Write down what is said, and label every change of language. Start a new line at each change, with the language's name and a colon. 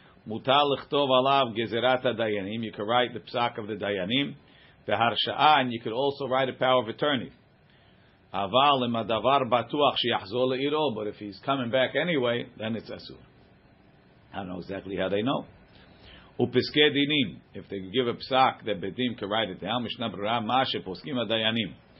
Hebrew: מותר לכתוב עליו גזירת הדיינים.
English: You can write the פסק of the דיינים.
Hebrew: והרשאה,
English: and you could also write a power of attorney.
Hebrew: אבל אם הדבר בטוח שיחזור לעירו,
English: but if he's coming back anyway, then it's אסור. I don't know exactly how they know.
Hebrew: ופסקי דינים,
English: if they give a פסק, the בדים can write it down.
Hebrew: משנה ברורה, מה שפוסקים הדיינים.